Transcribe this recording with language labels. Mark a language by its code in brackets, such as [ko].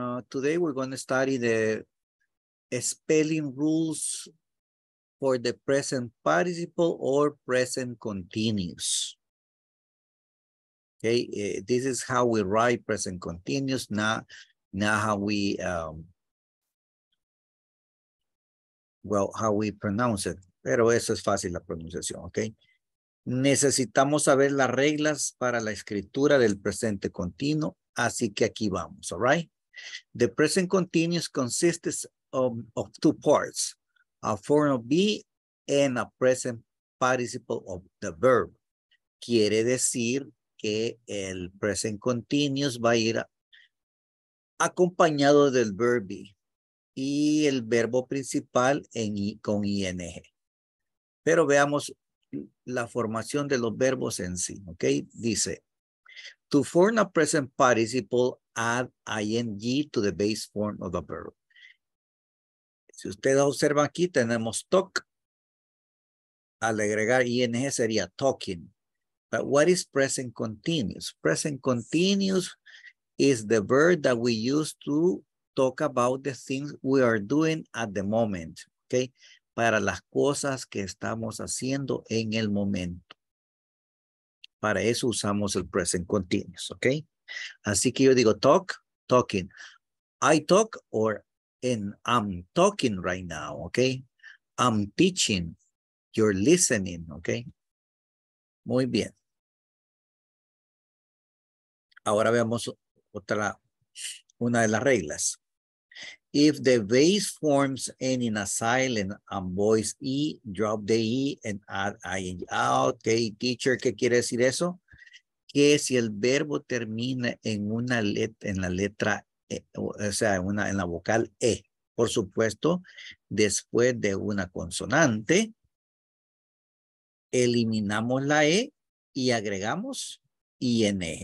[en] Today we're going to study the spelling rules for the present participle or present continuous. Okay, this is how we write present continuous, not how we how we pronounce it. [es] Pero eso es fácil la pronunciación, okay? Necesitamos saber las reglas para la escritura del presente continuo, así que aquí vamos, [en] all right? The present continuous consists of two parts, a form of be in a present participle of the verb. [es] Quiere decir que el present continuous va a ir acompañado del verb be y el verbo principal con ing. Pero veamos la formación de los verbos en sí, ¿ok? Dice, [en] to form a present participle, add ing to the base form of the verb. [es] Si ustedes observan aquí, tenemos talk. Al agregar ing sería talking. [en] But what is present continuous? Present continuous is the verb that we use to talk about the things we are doing at the moment. Okay? [es] Para las cosas que estamos haciendo en el momento. Para eso usamos el present continuous. Okay? Así que yo digo talk, talking. [en] I talk or I'm talking right now. Okay? I'm teaching. You're listening. Okay? [es] Muy bien. Ahora veamos una de las reglas. [en] If the base forms end in a silent and voice E, drop the E and add ing. [es] Okay, teacher, ¿qué quiere decir eso? Que si el verbo termina en una en la vocal E, por supuesto, después de una consonante, eliminamos la E y agregamos ing.